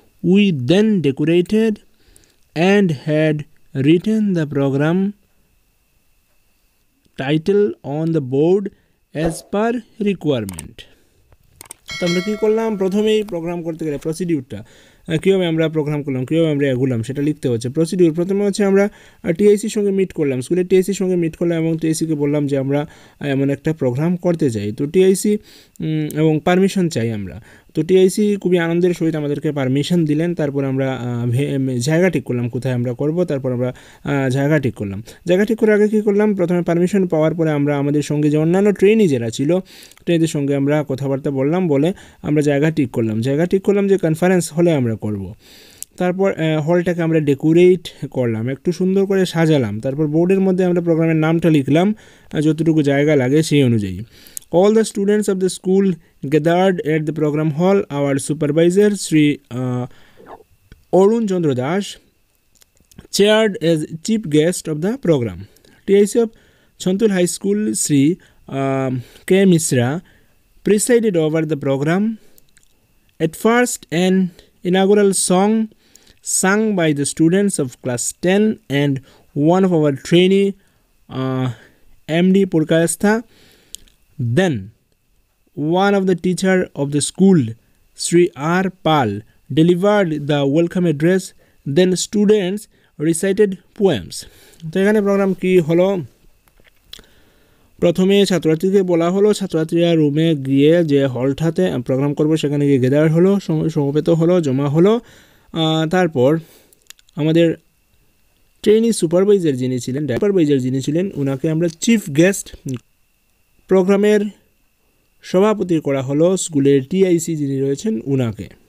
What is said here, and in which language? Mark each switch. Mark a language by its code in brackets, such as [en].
[en] We then decorated and had written the program title on the board as per requirement. [bn] তো আমরা কী করলাম, প্রথমেই programme করতে গেলে প্রসিডিউরটা কীভাবে আমরা প্রোগ্রাম করলাম, কীভাবে আমরা এগুলাম সেটা লিখতে হচ্ছে। প্রসিডিউর প্রথমে হচ্ছে আমরা টিআইসির সঙ্গে মিট করলাম, স্কুলের টিআইসির সঙ্গে মিট করলাম এবং টিআইসিকে বললাম যে আমরা এমন একটা প্রোগ্রাম করতে চাই, তো টিআইসি এবং পারমিশন চাই আমরা। তো টিআইসি খুবই আনন্দের সহিত আমাদেরকে পারমিশন দিলেন, তারপর আমরা জায়গা ঠিক করলাম কোথায় আমরা করব, তারপর আমরা জায়গা ঠিক করলাম। জায়গা ঠিক করার আগে কী করলাম, প্রথমে পারমিশন পাওয়ার পরে আমরা আমাদের সঙ্গে যে অন্যান্য ট্রেনি যারা ছিল ট্রেনিদের সঙ্গে আমরা কথাবার্তা বললাম, বলে আমরা জায়গা ঠিক করলাম, জায়গা ঠিক করলাম যে কনফারেন্স হলে আমরা করব। তারপর হলটাকে আমরা ডেকোরেট করলাম, একটু সুন্দর করে সাজালাম, তারপর বোর্ডের মধ্যে আমরা প্রোগ্রামের নামটা লিখলাম যতটুকু জায়গা লাগে সেই অনুযায়ী। [en] All the students of the school gathered at the program hall. Our supervisor, Sri Arun Chandra Das, chaired as chief guest of the program. TIC of Chantul High School, Sri K. Mishra, presided over the program. At first, an inaugural song sung by the students of class 10 and one of our trainee, MD Purkayastha. Then, one of the teacher of the school, Sri R. Pal, delivered the welcome address. Then, students recited poems. So, what program [bn] ki holo? প্রথমে ছাত্রছাত্রীকে বলা হলো, ছাত্রছাত্রীরা রুমে গিয়ে যে হলটাতে programme করবো সেখানে গিয়ে গেদার হলো, সমবেত হলো, জমা হলো। তারপর আমাদের ট্রেনিং সুপারভাইজার যিনি ছিলেন, সুপারভাইজার যিনি ছিলেন ওনাকে আমরা চিফ গেস্ট প্রোগ্রামের সভাপতি করা হলো, স্কুলের টিআইসি যিনি রয়েছেন ওনাকে।